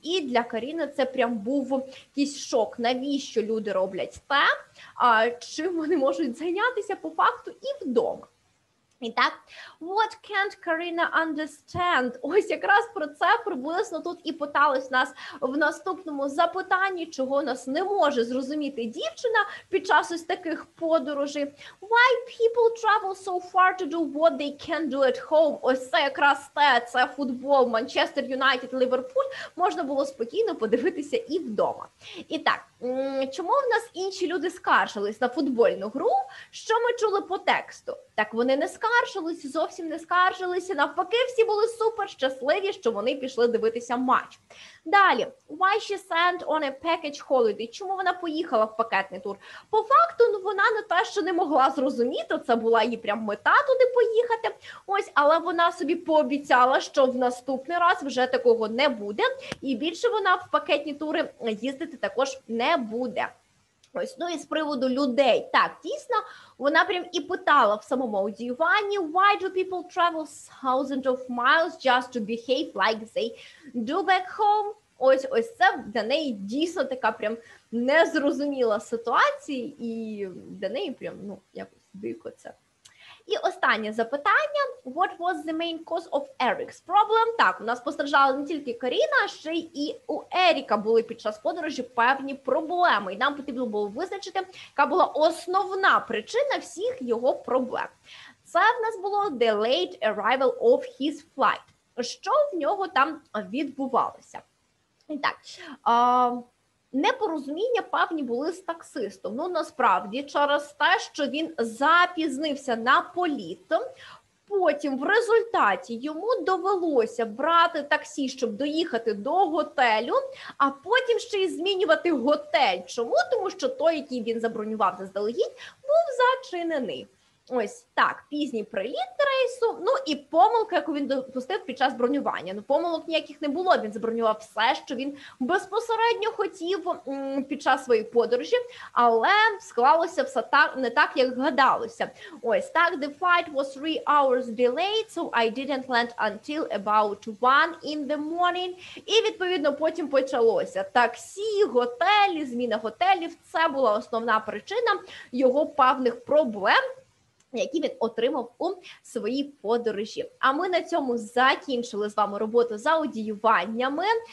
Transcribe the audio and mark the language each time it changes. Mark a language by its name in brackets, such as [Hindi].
[Ukrainian] І для Каріни це прям був якийсь шок, навіщо люди роблять те, чим вони можуть зайнятися по факту і вдома. І так, [English] what can't Karina understand? [Ukrainian] Ось якраз про це приблизно тут і питались нас в наступному запитанні, чого нас не може зрозуміти дівчина під час ось таких подорожей. [English] Why people travel so far to do what they can do at home? [Ukrainian] Ось це якраз те, це футбол, Манчестер Юнайтед, Ліверпуль, можна було спокійно подивитися і вдома. І так, чому в нас інші люди скаржились на футбольну гру? Що ми чули по тексту? Так вони не скаржились, зовсім не скаржилися, навпаки, всі були супер щасливі, що вони пішли дивитися матч. Далі, [English] why she sent on a package holiday? [Ukrainian] Чому вона поїхала в пакетний тур? По факту, ну, вона не те, що не могла зрозуміти, це була її прям мета туди поїхати. Ось, але вона собі пообіцяла, що в наступний раз вже такого не буде, і більше вона в пакетні тури їздити також не буде. Ось, ну і з приводу людей. Так, дійсно, вона прям і питала в самому аудіюванні, [English] why do people travel thousands of miles just to behave like they do back home? [Ukrainian] Ось це для неї дійсно така прям незрозуміла ситуація, і для неї прям, ну, якось дико це. І останнє запитання. [English] What was the main cause of Eric's problem? [Ukrainian] Так, у нас постраждала не тільки Каріна, а ще й у Еріка були під час подорожі певні проблеми. І нам потрібно було визначити, яка була основна причина всіх його проблем. Це в нас було [English] the late arrival of his flight. [Ukrainian] Що в нього там відбувалося? І так, непорозуміння певні були з таксистом. Ну, насправді, через те, що він запізнився на політ, потім в результаті йому довелося брати таксі, щоб доїхати до готелю, а потім ще й змінювати готель. Чому? Тому що той, який він забронював заздалегідь, був зачинений. Ось так, пізній приліт рейсу, ну і помилка, яку він допустив під час бронювання. Ну, помилок ніяких не було, він забронював все, що він безпосередньо хотів під час своєї подорожі, але склалося все так, не так, як гадалося. Ось так, [English] the flight was 3 hours delayed, so I didn't land until about 1 in the morning. [Ukrainian] І, відповідно, потім почалося таксі, готелі, зміна готелів. Це була основна причина його певних проблем, які він отримав у своїй подорожі. А ми на цьому закінчили з вами роботу з аудіюваннями.